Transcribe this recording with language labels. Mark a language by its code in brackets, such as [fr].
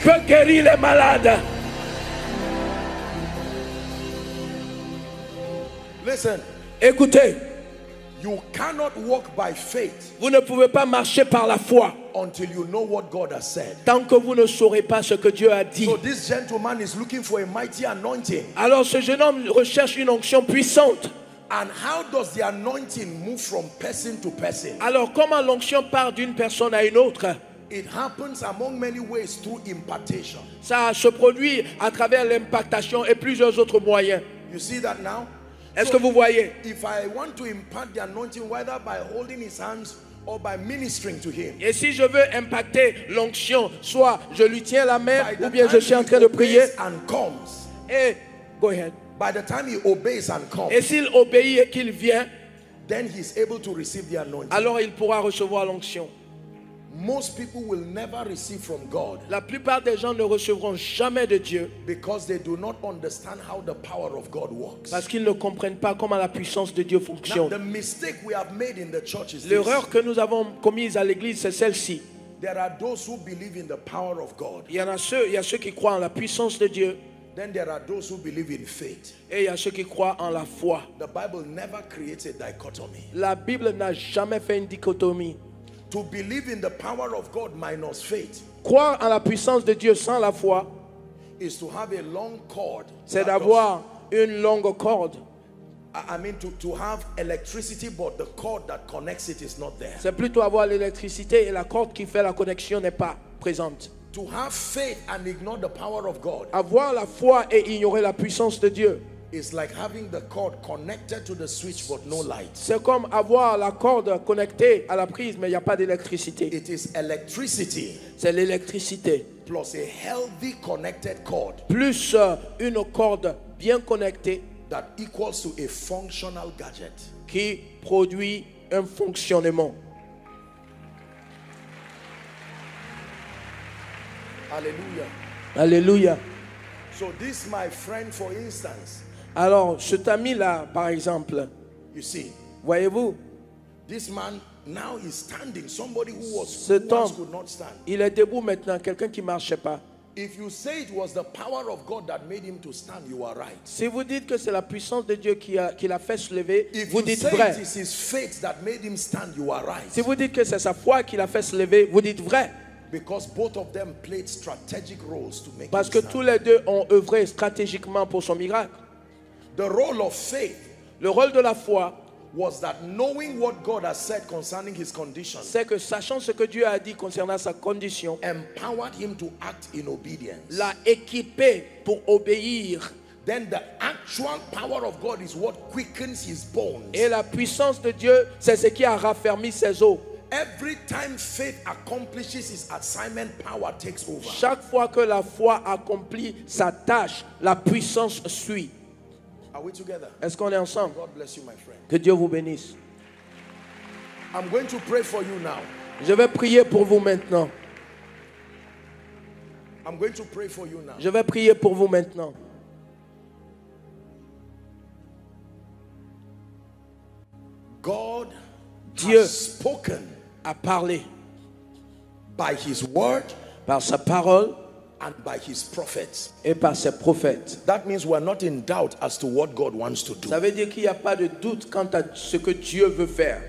[fr] Peut guérir les malades. [en] Listen. [fr] Écoutez. [en] You cannot walk by faith. [fr] Vous ne pouvez pas marcher par la foi. [en] Until you know what God has said. [fr] Tant que vous ne saurez pas ce que Dieu a dit. [en] So this gentleman is looking for a mighty anointing. [fr] Alors ce jeune homme recherche une onction puissante. [en] And how does the anointing move from person to person? [fr] Alors comment l'onction part d'une personne à une autre? [en] It happens among many ways through impartation. [fr] Ça se produit à travers l'impartation et plusieurs autres moyens. [en] You see that now? [fr] Est-ce que vous voyez? [en] If I want to impart the anointing, whether by holding his hands or by ministering to him. [fr] Et si je veux impacter l'onction, soit je lui tiens la main, ou bien je suis en train de prier. [en] And comes. Et go ahead. By the time he obeys and comes. [fr] Et s'il obéit et qu'il vient, [en] then he is able to receive the anointing. [fr] Alors il pourra recevoir l'onction. [en] Most people will never receive from God. [fr] La plupart des gens ne recevront jamais de Dieu [en] because they do not understand how the power of God works. [fr] Parce qu'ils ne comprennent pas comment la puissance de Dieu fonctionne. [en] Now, the mistake we have made in the church is [fr] l'erreur [en] this. [fr] Que nous avons commise à l'église c'est celle-ci. [en] There are those who believe in the power of God. [fr] Il y a ceux qui croient en la puissance de Dieu. [en] Then there are those who believe in faith. [fr] Et il y a ceux qui croient en la foi. [en] The Bible never created a dichotomy. [fr] La Bible n'a jamais fait une dichotomie. [en] To believe in the power of God minus faith. [fr] Croire en la puissance de Dieu sans la foi [en] is to have a long cord. [fr] C'est d'avoir une longue corde. [en] I mean to have electricity but the cord that connects it is not there. [fr] C'est plutôt avoir l'électricité et la corde qui fait la connexion n'est pas présente. [en] To have faith and ignore the power of God. [fr] Avoir la foi et ignorer la puissance de Dieu. [en] It's like having the cord connected to the switch but no light. [fr] C'est comme avoir la corde connectée à la prise mais il y a pas d'électricité. [en] It is electricity. [fr] C'est l'électricité. [en] Plus a healthy connected cord. [fr] Plus une corde bien connectée. [en] That equals to a functional gadget. [fr] Qui produit un fonctionnement. [en] Hallelujah. [fr] Hallelujah. [en] So this my friend for instance. [fr] Alors, cet ami là, par exemple, [en] you see, [fr] voyez-vous, [en] this man now is standing. Somebody who was [fr] cet homme, [en] could not stand. [fr] Il est debout maintenant, quelqu'un qui marchait pas. [en] If you say it was the power of God that made him to stand, you are right. [fr] Si vous dites que c'est la puissance de Dieu qui l'a fait se lever, [en] if [fr] vous [en] you [fr] dites [en] say [fr] vrai. [en] It is his faith that made him stand, you are right. [fr] Si vous dites que c'est sa foi qui l'a fait se lever, vous dites vrai. [en] Because both of them played strategic roles to make. [fr] Parce [en] him [fr] que [en] stand. [fr] Tous les deux ont œuvré stratégiquement pour son miracle. [en] The role of faith, [fr] le rôle de la foi, [en] was that knowing what God has said concerning his condition, [fr] c'est que sachant ce que Dieu a dit concernant sa condition, [en] empowered him to act in obedience, [fr] l'a équipé pour obéir. [en] Then the actual power of God is what quickens his bones, [fr] et la puissance de Dieu, c'est ce qui a raffermi ses os. [en] Every time faith accomplishes its assignment, power takes over. [fr] Chaque fois que la foi accomplit sa tâche, la puissance suit. [en] Are we together? [fr] Est-ce qu'on est ensemble? [en] God bless you, my friend. [fr] Que Dieu vous bénisse. [en] I'm going to pray for you now. [fr] Je vais prier pour vous maintenant. [en] I'm going to pray for you now. [fr] Je vais prier pour vous maintenant. [en] God, [fr] Dieu [en] has spoken, [fr] a parlé [en] by his word, [fr] par sa parole, [en] and by his prophets, [fr] et par ses prophètes. [en] That means we are not in doubt as to what God wants to do. [fr] Ça veut dire qu'il y a pas de doute quant à ce que Dieu veut faire.